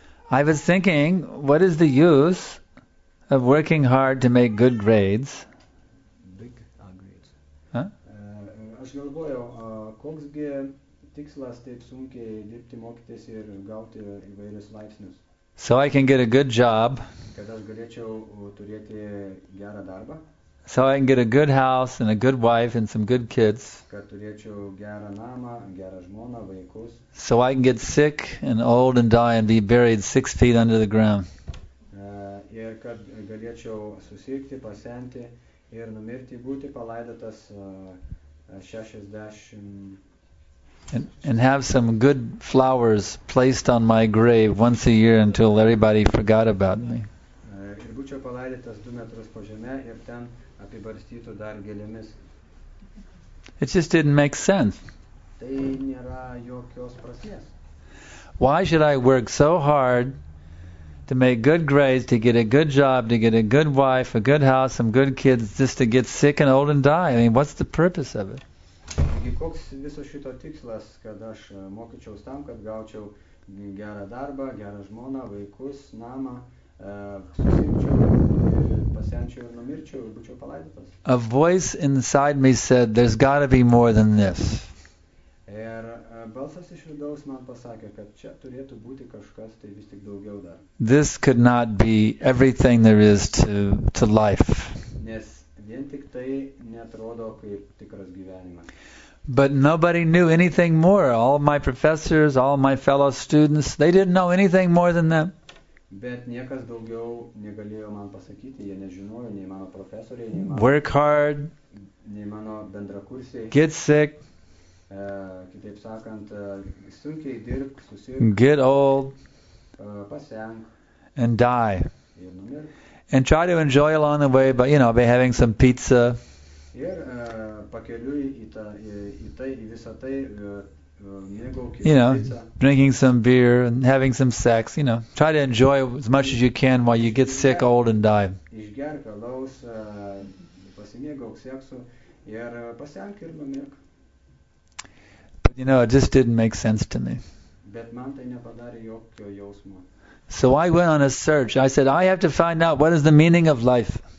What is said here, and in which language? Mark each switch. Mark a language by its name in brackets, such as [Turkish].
[English] I was thinking, what is the use of working hard to make good grades? Big grades. [Lithuanian] Aš galvojau, koks gi tikslas taip sunkiai dirbti, mokytis ir gauti įvairius laipsnius. [English] So I can get a good job. [Lithuanian] Kad aš galėčiau turėti gerą darbą. [English] So I can get a good house and a good wife and some good kids. [Lithuanian] Kad turėčiau gerą namą, gerą žmoną, vaikus. [English] So I can get sick and old and die and be buried 6 feet under the ground. [Lithuanian] Ir kad galėčiau susirgti, pasenti ir numirti, būti palaidotas 60. [English] And have some good flowers placed on my grave once a year until everybody forgot about me. [Lithuanian] Ir būčiau palaidotas 2 metrus po žeme ir ten apibarstytų dar gėlėmis. [English] It just didn't make sense. [Lithuanian] Tai nėra jokios prasmės. [English] Why should I work so hard to make good grades, to get a good job, to get a good wife, a good house, some good kids, just to get sick and old and die? I mean, what's the purpose of it? [Lithuanian] Taigi, koks viso šito tikslas, kad aš mokyčiaus tam, kad gaučiau gerą darbą, gerą žmoną, vaikus, namą, susimčiau, pasenčiau ir numirčiau ir būčiau palaidotas. [English] A voice inside me said, there's got to be more than this. [Lithuanian] Ir balsas iš vidaus man pasakė, kad čia turėtų būti kažkas, tai vis tik daugiau dar. [English] This could not be everything there is to life. [Lithuanian] Nes vien tik tai netrodo kaip tikras gyvenimas. [English] But nobody knew anything more. All my professors, all my fellow students, they didn't know anything more than them. [Lithuanian] Bet niekas daugiau negalėjo man pasakyti, jie nežinojo, nei mano profesoriai, [English] work hard, [Lithuanian] nei mano bendrakursiai, [English] get sick, [Lithuanian] kitaip sakant, sunkiai dirb, susirg, [English] get old, [Lithuanian] pasenk, [English] and die. And try to enjoy along the way, but you know, by having some pizza. [Lithuanian] Ir pakeliui į visą tai mėgaukis, [English] you know, drinking some beer and having some sex, you know, try to enjoy as much as you can while you get sick, old and die. [Lithuanian] Išgerk alaus, pasimėgauk seksu ir pasenk ir numirk. [English] But you know, it just didn't make sense to me. [Lithuanian] Bet man tai nepadarė jokio jausmo. [English] So I went on a search. I said, I have to find out what is the meaning of life.